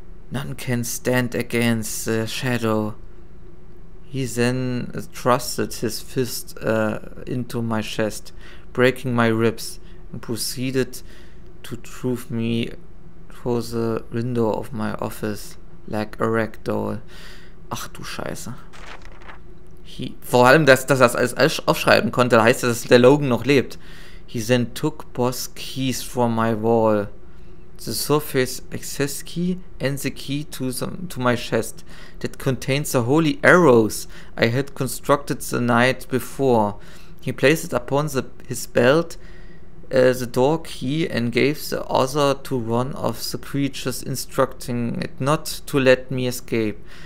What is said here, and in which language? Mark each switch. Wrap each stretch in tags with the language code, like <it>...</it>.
<en>None can stand against the shadow. He then thrusted his fist into my chest, breaking my ribs, and proceeded to truth me through the window of my office. Like a ragdoll.</en> <de>Ach du Scheiße. Vor allem, dass er das alles aufschreiben konnte, heißt, dass der Logan noch lebt.</de> <en>He then took Boss keys from my wall. The surface access key and the key to my chest that contains the holy arrows I had constructed the night before. He placed it upon his belt, the door key, and gave the other to one of the creatures, instructing it not to let me escape.</en>